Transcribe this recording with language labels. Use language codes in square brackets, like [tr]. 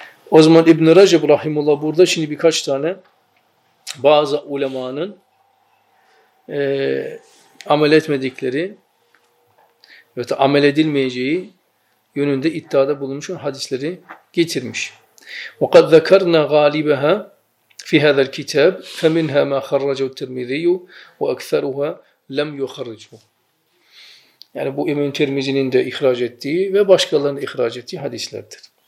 [tr] O zaman İbn-i Recep Rahimullah burada şimdi birkaç tane bazı ulemanın amel etmedikleri ve amel edilmeyeceği yönünde iddiada bulunmuş hadisleri getirmiş. [ar] وقد ذكرنا غالبها في في هذا الكتاب فمنها ما خرجه الترمذي وأكثرها لم يخرجه. [tr] Yani bu İmam Tirmizi'nin de ihraç ettiği ve başkalarının ihraç ettiği hadislerdir.